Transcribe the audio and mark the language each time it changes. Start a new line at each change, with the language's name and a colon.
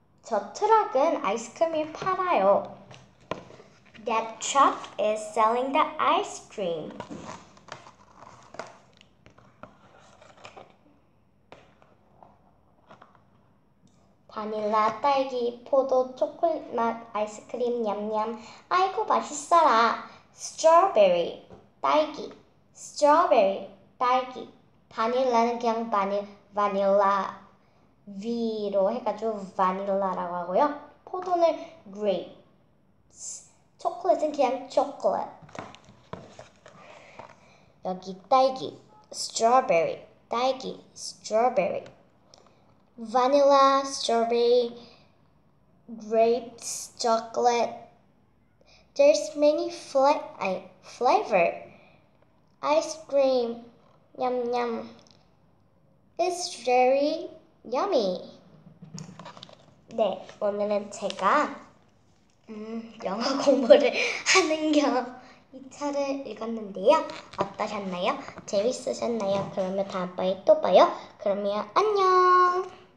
Korean: 저 트럭은 아이스크림을 팔아요.
English: That truck is selling the ice cream.
Korean: 바닐라, 딸기, 포도, 초콜릿 맛, 아이스크림, 냠냠. 아이고, 맛있어라.
English: Strawberry,
Korean: 딸기. Strawberry, 딸기. 바닐라는 그냥 바닐라 V로 해가지고 바닐라라고 하고요. 포도는 grape. 초콜릿은 그냥 초콜릿. 여기 딸기,
English: strawberry, 딸기, strawberry, vanilla, strawberry, grapes, chocolate. There's many flavor. Ice cream, yum yum. It's very yummy.
Korean: 네, 오늘은 제가 영어 공부를 하는 겸이 책을 읽었는데요. 어떠셨나요? 재밌으셨나요? 그러면 다음번에 또 봐요. 그러면 안녕!